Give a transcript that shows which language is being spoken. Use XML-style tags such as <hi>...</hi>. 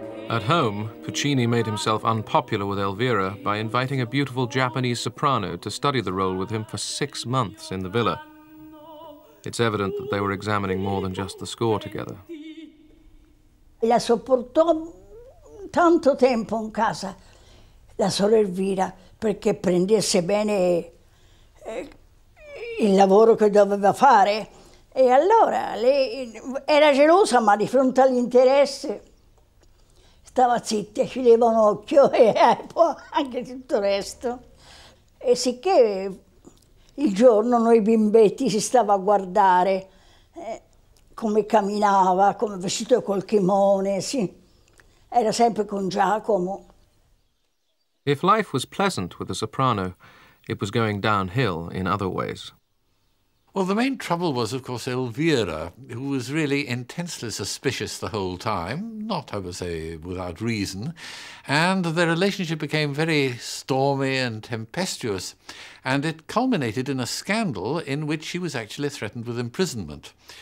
<en>At home, Puccini made himself unpopular with Elvira by inviting a beautiful Japanese soprano to study the role with him for 6 months in the villa. It's evident that they were examining more than just the score together.</en> <it>La sopportò tanto tempo in casa, la sola Elvira, perché prendesse bene il lavoro che doveva fare. E allora lei era gelosa, ma di fronte all'interesse stava zitta, ci leva un occhio e poi anche tutto il resto. E sicché il giorno noi bimbetti si stava a guardare come camminava, come vestito col kimono, sì. Era sempre con Giacomo.</it> <en>If life was pleasant with the soprano, it was going downhill in other ways. Well, the main trouble was, of course, Elvira, who was really intensely suspicious the whole time, not, I would say, without reason, and their relationship became very stormy and tempestuous, and it culminated in a scandal in which she was actually threatened with imprisonment.</en>